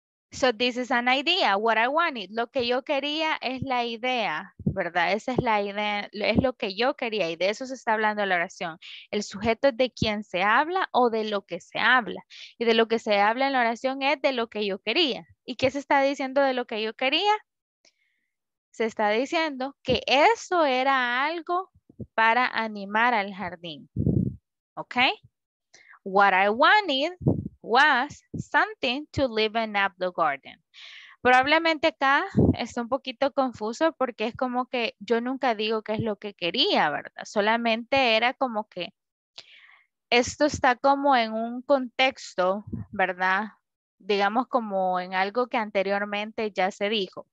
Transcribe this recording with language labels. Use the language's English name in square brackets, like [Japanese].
[English] So this is an idea, what I wanted. [Spanish] Lo que yo quería es la idea, ¿verdad? Esa es la idea, es lo que yo quería y de eso se está hablando la oración. El sujeto es de quien se habla o de lo que se habla. Y de lo que se habla en la oración es de lo que yo quería. ¿Y qué se está diciendo de lo que yo quería? Se está diciendo que eso era algo para animar al jardín. ¿Ok? [English] What I wanted was something to liven up the garden. [Spanish] Probablemente acá está un poquito confuso porque es como que yo nunca digo qué es lo que quería, ¿verdad? Solamente era como que esto está como en un contexto, ¿verdad? Digamos como en algo que anteriormente ya se dijo.